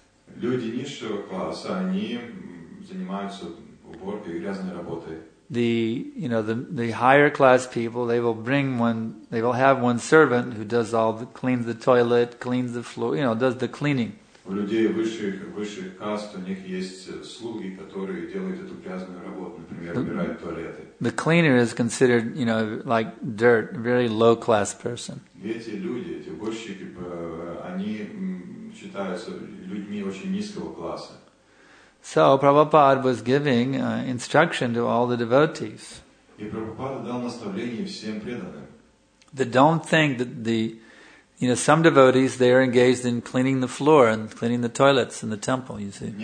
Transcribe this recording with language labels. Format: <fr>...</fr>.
<en>The higher class people, they will have one servant who does all the cleans the toilet, cleans the floor, you know, does the cleaning.</en> <ru>У людей высших каст у них есть слуги, которые делают эту грязную работу, например, убирают туалеты.</ru> <en>The cleaner is considered, you know, like dirt, very low class person.</en> <ru>Эти люди, эти уборщики, они считаются людьми очень низкого класса.</ru> <en>So Prabhupada was giving instruction to all the devotees.</en> <ru>И Прабхупада дал наставление всем преданным.</ru> <en>That don't think that the you know, some devotees, they are engaged in cleaning the floor and cleaning the toilets in the temple, you see.</en>